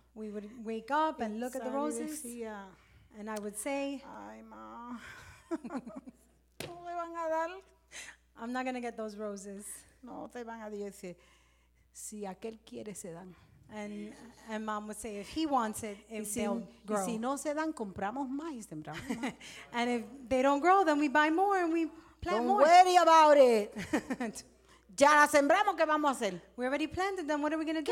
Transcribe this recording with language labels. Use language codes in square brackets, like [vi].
[en] We would wake up and look at the roses. [es] Decía, [en] and I would say, [es] ay, ma, ¿cómo le van a dar? [en] I'm not going to get those roses. [es] No te van a decir, si aquel quiere, se dan. [en] And mom would say, if he wants it, if they'll grow. [es] Y si no se dan, compramos más y sembramos más. [en] And if they don't grow, then we buy more and we plant don't more. Don't worry about it. [es] Ya la sembramos, ¿qué vamos a hacer? [en] We already planted them, what are we going to do?